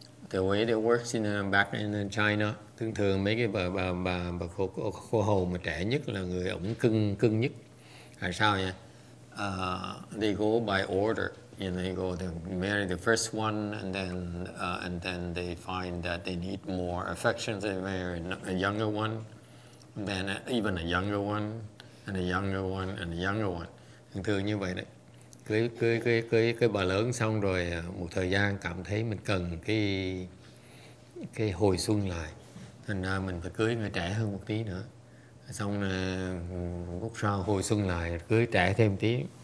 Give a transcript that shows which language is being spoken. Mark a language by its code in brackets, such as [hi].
[en] The way it works in back in China, [vi] thường thường mấy cái bà cô hồ mà trẻ nhất là người ổng cưng nhất. Tại sao nhỉ? [en] They go by order. And they go, they marry the first one, and then they find that they need more affection. They marry a younger one, then even a younger one, and a younger one, and a younger one. [vi] Thường thường như vậy đấy. Cưới bà lớn xong rồi một thời gian cảm thấy mình cần cái hồi xuân lại. Thành ra mình phải cưới người trẻ hơn một tí nữa. Xong lúc sau hồi xuân lại cưới trẻ thêm tí.